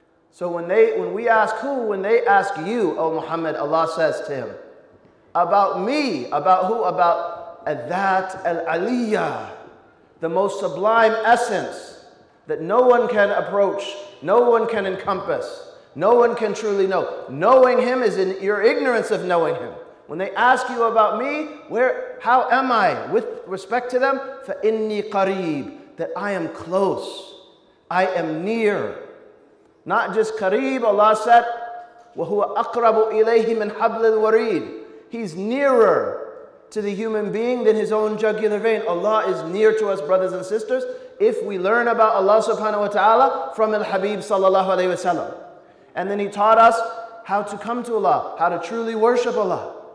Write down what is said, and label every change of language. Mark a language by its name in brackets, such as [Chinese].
[English] So when they ask you, O Muhammad, Allah says to him, about me, about who? [Arabic] About الذات العليا. [English] The most sublime essence that no one can approach, no one can encompass, no one can truly know. Knowing him is in your ignorance of knowing him. When they ask you about me, where, how am I with respect to them? [Arabic] فَإِنِّي قَرِيبٌ. [English] That I am close, I am near. Not just [Arabic] قَرِيب, [English] Allah said, [Arabic] وَهُوَ أَقْرَبُ إِلَيْهِ مِنْ حَبْلِ الْوَرِيدِ. [English] He's nearer to the human being than his own jugular vein. Allah is near to us, brothers and sisters, if we learn about Allah subhanahu wa ta'ala from Al-Habib sallallahu alayhi wa sallam. And then he taught us how to come to Allah, how to truly worship Allah.